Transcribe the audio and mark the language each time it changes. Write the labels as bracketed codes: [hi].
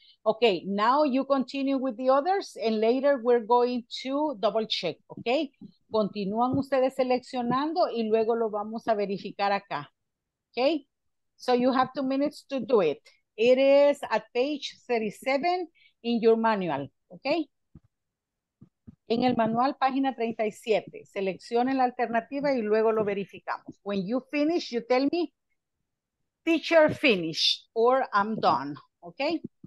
[en] Okay, now you continue with the others, and later we're going to double check, okay? [es] Continúan ustedes seleccionando y luego lo vamos a verificar acá, okay? [en] So you have 2 minutes to do it. It is at page 37 in your manual, okay? [es] En el manual, página 37, seleccionen la alternativa y luego lo verificamos. [en] When you finish, you tell me, teacher finished or I'm done, okay?